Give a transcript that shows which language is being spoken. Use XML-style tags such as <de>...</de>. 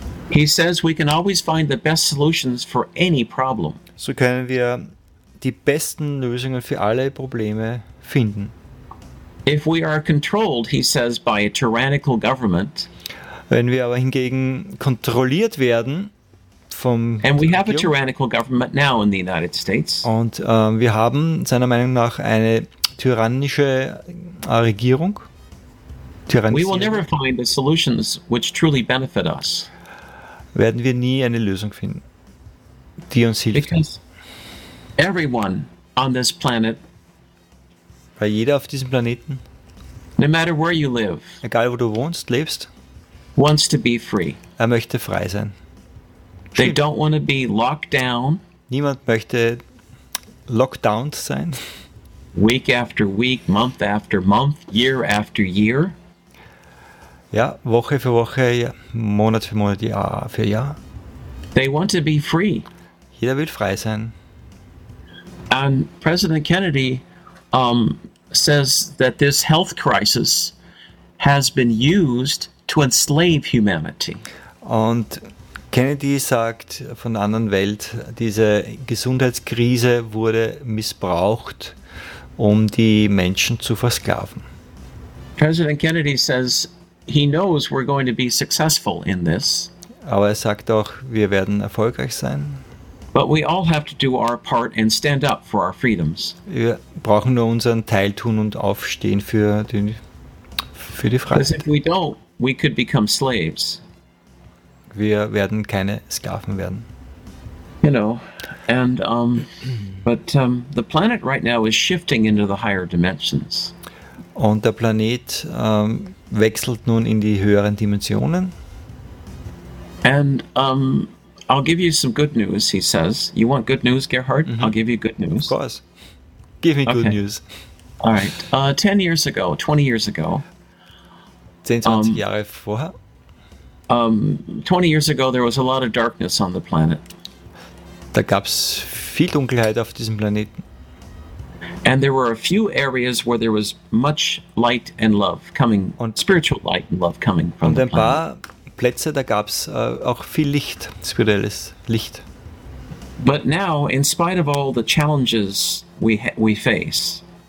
<en>He says we can always find the best solutions for any problem.</en> <de>So können wir die besten Lösungen für alle Probleme finden.</de> <en>If we are controlled, he says, by a tyrannical government.</en> <de>Wenn wir aber hingegen kontrolliert werden vom</de> <en>And we have a tyrannical government now in the United States.</en> <de>Und wir haben seiner Meinung nach eine tyrannische Regierung.</de> <en>We will never find the solutions which truly benefit us.</en> <de>Werden wir nie eine Lösung finden, die uns hilft.</de> <en>Because everyone on this planet,</en> <de>weil jeder auf diesem Planeten,</de> <en>no matter where you live,</en> <de>egal wo du wohnst, lebst,</de> <en>wants to be free.</en> <de>Er möchte frei sein.</de> <en>They don't want to be locked down.</en> <de>Niemand möchte lockdowned sein.</de> <en>Week after week, month after month, year after year.</en> <de>Ja, Woche für Woche, Monat für Monat, Jahr für Jahr.</de> <en>They want to be free.</en> <de>Jeder will frei sein.</de> <en>And President Kennedy says that this health crisis has been used to enslave humanity.</en> <de>Und Kennedy sagt von der anderen Welt, diese Gesundheitskrise wurde missbraucht, um die Menschen zu versklaven.</de> <en>President Kennedy says he knows we're going to be successful in this.</en> <de>Aber er sagt auch, wir werden erfolgreich sein.</de> <en>But we all have to do our part and stand up for our freedoms.</en> <de>Wir brauchen nur unseren Teil tun und aufstehen für die Freiheit.</de> <en>Because if we don't, we could become slaves.</en> <de>Wir werden keine Sklaven werden.</de> <en>You know, and but the planet right now is shifting into the higher dimensions.</en> <de>Und der Planet wechselt nun in die höheren Dimensionen.</de> <en>And I'll give you some good news, he says. You want good news, Gerhard? Mm-hmm. I'll give you good news. Of course. Give me okay. Good news. All right. 20 years ago.</en> <de>10, 20 Jahre vorher.</de> <en>20 years ago, there was a lot of darkness on the planet.</en> <de>Da gab's viel Dunkelheit auf diesem Planeten.</de> <en>And there were a few areas where there was much light and love coming,</en> <de>und</de> <en>spiritual light and love coming from the planet.</en> <de>Und ein paar Plätze, da gab's auch viel Licht, spirituelles Licht.</de> <en>But now, in spite of all the challenges we face.</en>